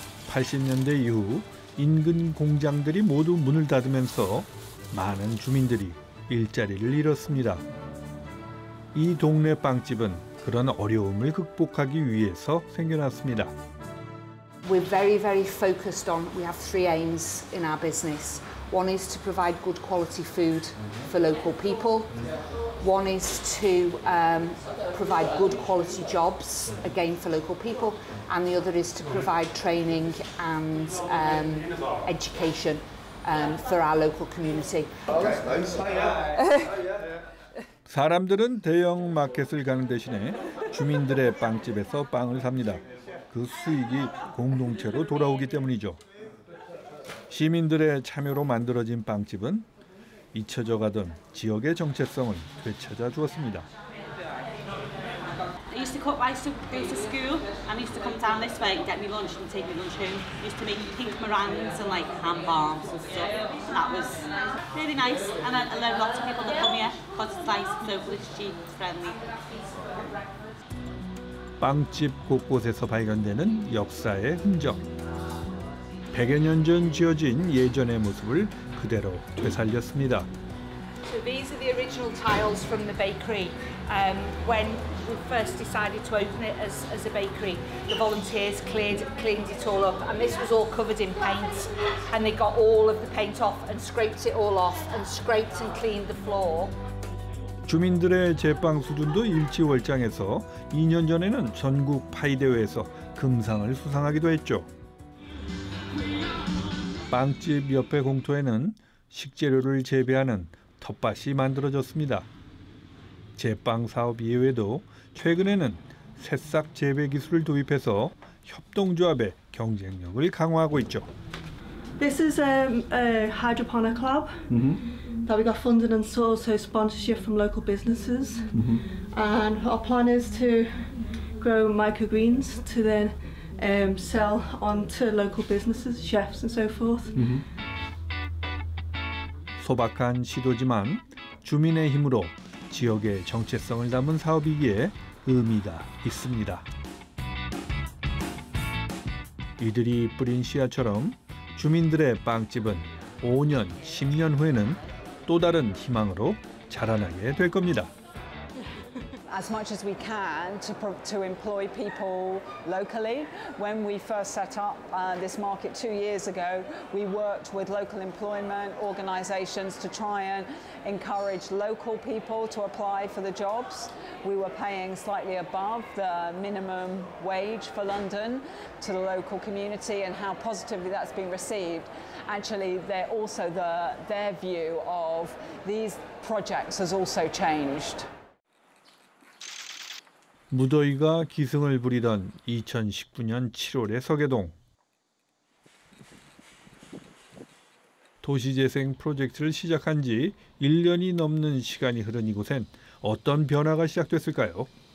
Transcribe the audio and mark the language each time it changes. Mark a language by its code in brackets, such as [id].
[ko] 80년대 이후 인근 공장들이 모두 문을 닫으면서 많은 주민들이 일자리를 잃었습니다. 이 동네 빵집은 그런 어려움을 극복하기 위해서 생겨났습니다. [en] We're very focused on, we have three aims in our business. One is to provide good quality food for local people. One is to provide good quality jobs, again, for local people. And the other is to provide training and education for our local community. [ko] 사람들은 대형 마켓을 가는 대신에 주민들의 빵집에서 빵을 삽니다. 그 수익이 공동체로 돌아오기 때문이죠. 시민들의 참여로 만들어진 빵집은 잊혀져 가던 지역의 정체성을 되찾아 주었습니다. [en] I used to cook, I used to go to school and I used to come down this way, get me lunch and take me lunch home. I used to make pink meringues and like ham balms and stuff. And that was really nice. And I learned lots of people to come here because it's nice, it's local, it's cheap, it's friendly. [ko] 빵집 곳곳에서 발견되는 역사의 흔적. 100여 년 전 지어진 예전의 모습을 그대로 되살렸습니다. [en] So these are the original tiles from the bakery. When we first decided to open it as a bakery, the volunteers cleaned it all up. And this was all covered in paint. And they got all of the paint off and scraped it all off and scraped and cleaned the floor. [ko] 주민들의 제빵 수준도 일취월장해서 2년 전에는 전국 파이 대회에서 금상을 수상하기도 했죠. 빵집 옆에 공터에는 식재료를 재배하는 텃밭이 만들어졌습니다. 제빵 사업 이외에도 최근에는 새싹 재배 기술을 도입해서 협동조합의 경쟁력을 강화하고 있죠. [en] This is a hydroponic lab. Mm-hmm. That we got funding and also sponsorship from local businesses. Mm-hmm. And our plan is to grow microgreens to then sell on to local businesses, chefs and so forth. Mm-hmm. [ko] 소박한 시도지만 주민의 힘으로 지역의 정체성을 담은 사업이기에 의미가 있습니다. 이들이 뿌린 씨앗처럼 주민들의 빵집은 5년, 10년 후에는 또 다른 희망으로 자라나게 될 겁니다. [en] As much as we can to employ people locally. When we first set up this market 2 years ago, we worked with local employment organizations to try and encourage local people to apply for the jobs. We were paying slightly above the minimum wage for London to the local community and how positively that's been received. Actually, they're also their view of these projects has also changed. [ko] 무더위가 기승을 부리던 2019년 7월의 서계동. 도시재생 프로젝트를 시작한 지 1년이 넘는 시간이 흐른 이곳엔 어떤 변화가 시작됐을까요?